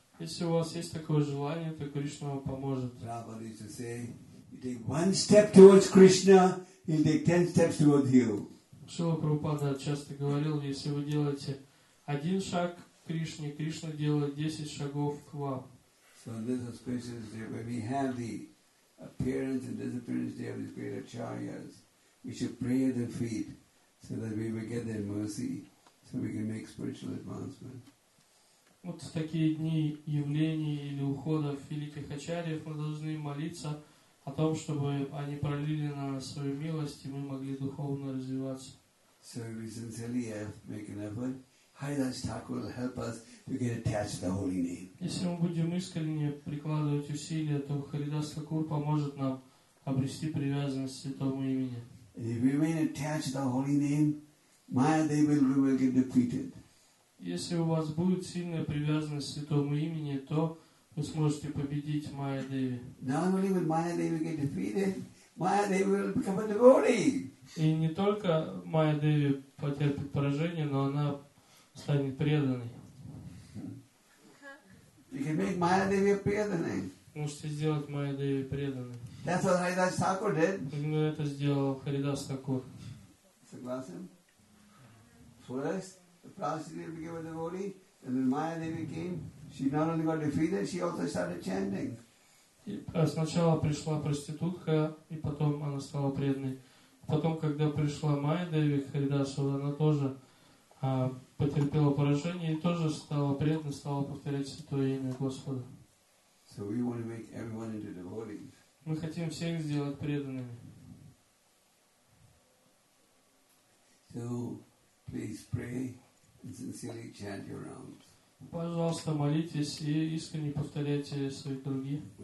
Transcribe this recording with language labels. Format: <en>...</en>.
<ru>Если у вас есть такое желание, то Кришна вам поможет.</ru> <en>Prabhupada used to say, you take one step towards Krishna, he'll take 10 steps towards you.</en> <ru>Шрила Прабхупада часто говорил, если вы делаете один шаг к Кришне, Кришна делает 10 шагов к вам.</ru> <en>So this auspicious day, when we have the appearance and disappearance day of these great acharyas, we should pray at their feet so that we may get their mercy, so we can make spiritual advancement.</en> <ru>Вот в такие дни явлений или уходов великих ачарьев мы должны молиться о том, чтобы они пролили на нас свою милость, и мы могли духовно развиваться.</ru> <en>So we sincerely make an effort. Харидас Такур will help us to get attached to the holy name.</en> <ru>Если мы будем искренне прикладывать усилия, то Харидас Такур поможет нам обрести привязанность к Святому Имени.</ru> <en>And if we remain attached to the holy name, Maya Devi will get defeated.</en> <ru>Если у вас будет сильная привязанность к Святому Имени, то вы сможете победить Майя Деви.</ru> <en>Not only will Maya Devi get defeated, Maya Devi will become a devotee.</en> <ru>И не только Майя Деви потерпит поражение, но она станет преданной.</ru> <en>You can make Maya Devi a преданной.</en> <ru>Можете сделать Майя Деви преданной.</ru> <en>That's what Харидас Такур did.</en> <ru>Именно это сделал Харидас Такур. Согласен?</ru> <en>First, the prostitute became a devotee, and then Maya Devi came. She not only got defeated, she also started chanting.</en> <ru>Сначала пришла проститутка, и потом она стала преданной. Потом, когда пришла Майя Деви к Харидасу, она тоже потерпела поражение и тоже стала преданной, стала повторять Святое Имя Господа.</ru> <en>So we want to make everyone into devotees.</en> <ru>Мы хотим всех сделать преданными.</ru> <en>So please pray and sincerely chant your rounds.</en> <ru>Пожалуйста, молитесь и искренне повторяйте свои круги.</ru>